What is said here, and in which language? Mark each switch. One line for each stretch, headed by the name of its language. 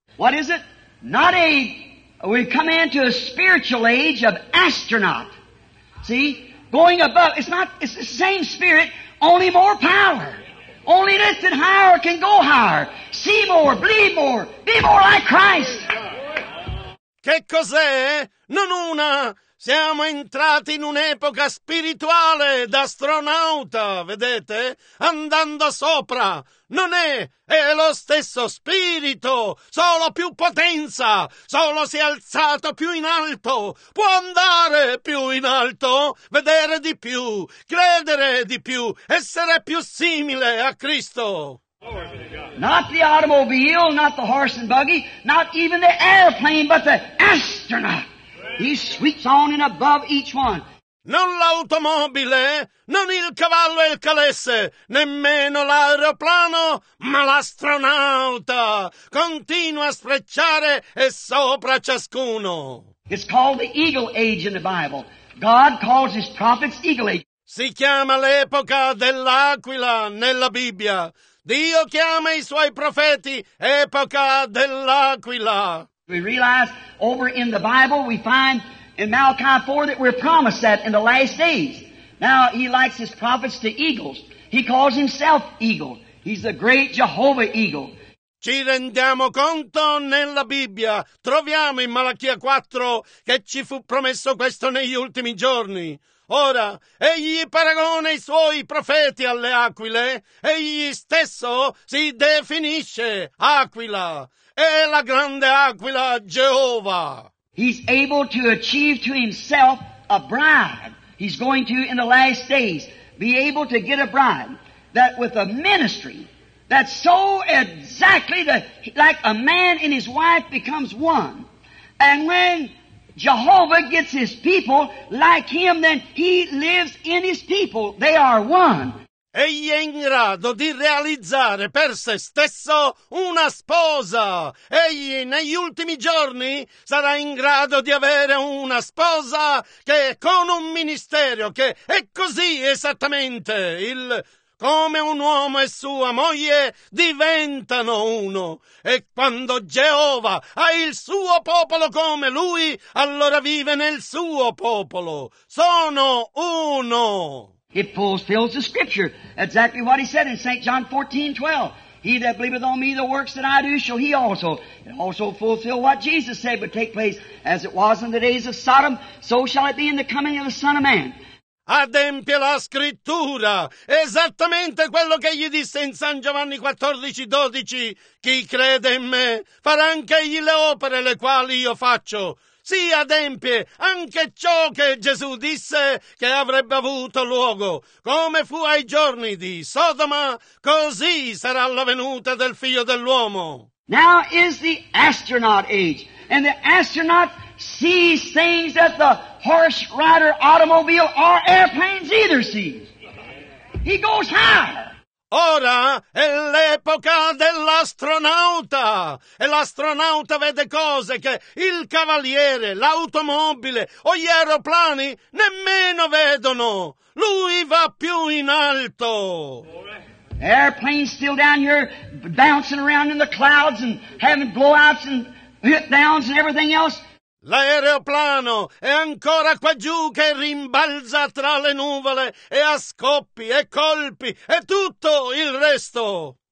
English: What is it? Not a... We come into a spiritual age of astronaut. See? Going above. It's the same spirit, only more power. Only lifted higher can go higher. See more, believe more, be more like Christ.
Italian: Che cos'è? Non una. Siamo entrati in un'epoca spirituale d'astronauta, vedete? Andando sopra. Non è, è lo stesso spirito, solo più potenza, solo si è alzato più in alto, può andare più in alto, vedere di più, credere di più, essere più simile a Cristo.
English: Not the automobile, not the horse and buggy, not even the airplane, but the astronaut. He sweeps on and above each one.
Italian: Non l'automobile, non il cavallo e il calesse, nemmeno l'aeroplano, ma l'astronauta continua a sfrecciare e sopra ciascuno.
English: It's called the eagle age in the Bible. God calls his prophets eagle age.
Italian: Si chiama l'epoca dell'aquila nella Bibbia. Dio chiama i suoi profeti epoca dell'aquila.
English: We realize over in the Bible we find in Malachi 4 that we're promised that in the last days. Now he likes his prophets to eagles. He calls himself eagle. He's the great Jehovah eagle.
Italian: Ci rendiamo conto nella Bibbia, troviamo in Malachia 4 che ci fu promesso questo negli ultimi giorni. Ora, egli paragona i suoi profeti alle aquile, egli stesso si definisce aquila. È la grande aquila Geova.
English: He's able to achieve to himself a bride. He's going to, in the last days, be able to get a bride that with a ministry that's so exactly the, like a man and his wife becomes one. And when Jehovah gets his people like him, then he lives in his people. They are one.
Italian: Egli è in grado di realizzare per se stesso una sposa. Egli negli ultimi giorni sarà in grado di avere una sposa che è con un ministero, che è così esattamente. Il come un uomo e sua moglie diventano uno. E quando Geova ha il suo popolo come lui, allora vive nel suo popolo. Sono uno.
English: It fulfills the scripture, exactly what he said in St. John 14:12. He that believeth on me, the works that I do, shall he also. It also fulfill what Jesus said would take place, as it was in the days of Sodom, so shall it be in the coming of the Son of Man.
Italian: Adempie la scrittura, esattamente quello che gli disse in San Giovanni 14:12. Chi crede in me, farà anche egli le opere le quali io faccio. Si adempie anche ciò che Gesù disse che avrebbe avuto luogo. Come fu ai giorni di Sodoma, così sarà la venuta del Figlio dell'uomo.
English: Now is the astronaut age, and the astronaut sees things that the horse rider automobile or airplanes either sees. He goes higher.
Italian: Ora è l'epoca dell'astronauta e l'astronauta vede cose che il cavaliere, l'automobile o gli aeroplani nemmeno vedono. Lui va più in alto.
English: Airplanes still down here bouncing around in the clouds and having blowouts and hit downs and everything else.
Italian: L'aeroplano è ancora qua giù che rimbalza tra le nuvole e ha scoppi e colpi e tutto il resto.